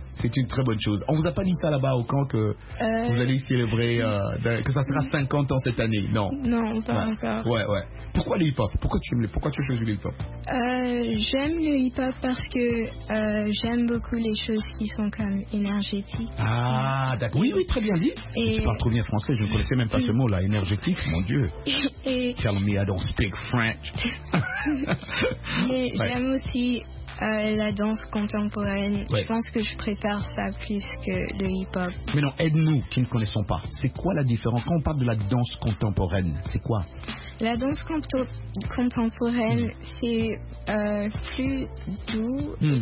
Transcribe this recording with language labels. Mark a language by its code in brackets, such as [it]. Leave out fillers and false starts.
[fr] C'est une très bonne chose. On vous a pas dit ça là-bas au camp que vous allez célébrer, que ça sera 50 ans cette année? Non. Non, pas encore. Ouais, ouais. Pourquoi le hip-hop? Pourquoi tu as choisi le hip-hop? J'aime le hip-hop parce que j'aime beaucoup les choses qui sont comme énergétiques. Ah, d'accord. Oui, oui, très bien dit. Tu parles trop bien français. Je ne connaissais même pas ce mot-là. Énergétique, mon Dieu. [en] Tell me I don't speak French. [fr] Mais ouais. J'aime aussi la danse contemporaine. Ouais. Je pense que je préfère ça plus que le hip-hop. Mais non, aide-nous qui ne connaissons pas. C'est quoi la différence? Quand on parle de la danse contemporaine, c'est quoi? La danse contemporaine, c'est plus doux.